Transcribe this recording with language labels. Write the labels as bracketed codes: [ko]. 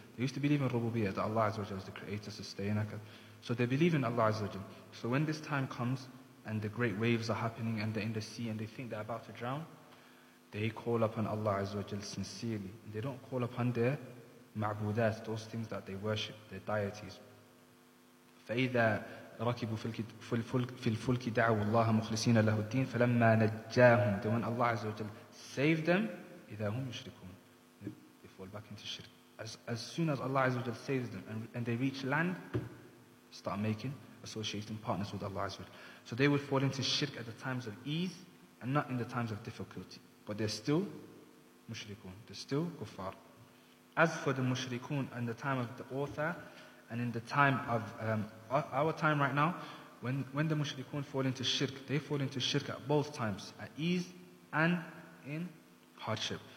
[en] They used to believe in rububiyyah, that Allah Azza wa Jalla is the creator, sustainer. So they believe in Allah Azza wa Jalla. So when this time comes and the great waves are happening and they're in the sea and they think they're about to drown, they call upon Allah Azza wa Jalla sincerely. They don't call upon their ma'budat, those things that they worship, their deities. [ar] فَإِذَا رَكِبُوا فِي الْفُلْكِ دَعُوا اللَّهَ مُخْلِصِينَ لَهُ الدِّينَ فَلَمَّا نَجَّاهُمْ, [en] then when Allah Azza wa Jalla saved them, [ar] إِذَا هُمْ يُشْرِكُونَ, [en] they fall back into shirk. As soon as Allah Azza wa Jalla saves them and they reach land, start making associating partners with Allah Azza wa Jalla. So they would fall into shirk at the times of ease and not in the times of difficulty. But they're still mushrikun. They're still kuffar. As for the mushrikun in the time of the author and in the time of our time right now, when the mushrikun fall into shirk, they fall into shirk at both times, at ease and in hardship.